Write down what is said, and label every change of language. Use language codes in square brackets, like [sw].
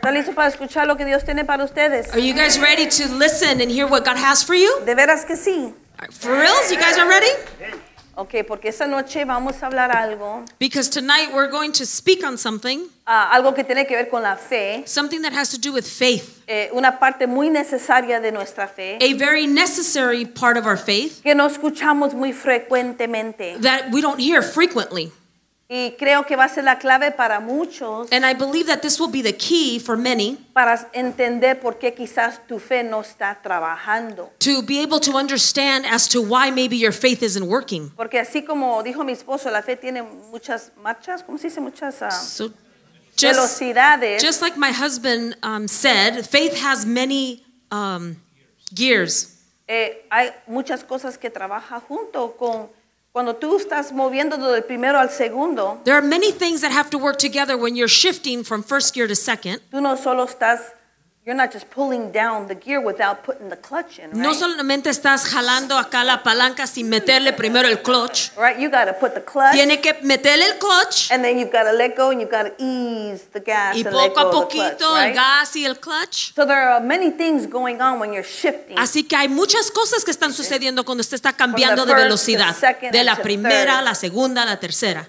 [es] ¿Están listos para escuchar lo que Dios tiene para ustedes? [en] Are you guys ready to listen and hear what God has for you? [es] ¿De veras que sí? [en] For reals, you guys are ready? [es] Okay, porque esta noche vamos a hablar algo. [en] Because tonight we're going to speak on something. [es] Algo que tiene que ver con la fe. [en] Something that has to do with faith. [es] Una parte muy necesaria de nuestra fe. [en] A very necessary part of our faith. [es] Que no escuchamos muy frecuentemente. [en] That we don't hear frequently. [es] Y creo que va a ser la clave para muchos. [en] And I believe that this will be the key for many. [es] Para entender por qué quizás tu fe no está trabajando. [en] To be able to understand as to why maybe your faith isn't working. [es] Porque así como dijo mi esposo, la fe tiene muchas marchas, ¿cómo se dice? Muchas velocidades. [en] Just like my husband said, faith has many gears. [es] Hay muchas cosas que trabaja junto con cuando tú estás moviendo del primero al segundo. [en] There are many things that have to work together when you're shifting from first gear to second. [es] Tú no solo estás, [en] you're not just pulling down the gear without putting the clutch in, right? [es] No solamente estás jalando acá la palanca sin meterle primero el clutch. [en] Right, you got to put the clutch. [es] Tiene que meterle el clutch. [en] And then you've got to let go and you've got to ease the gas and let go. [es] Y poco a poquito [en] the clutch, [es] el gas y el clutch. [en] So there are many things going on when you're shifting. [es] Así que hay muchas cosas que están sucediendo cuando usted está cambiando de velocidad, de la primera a la segunda a la tercera.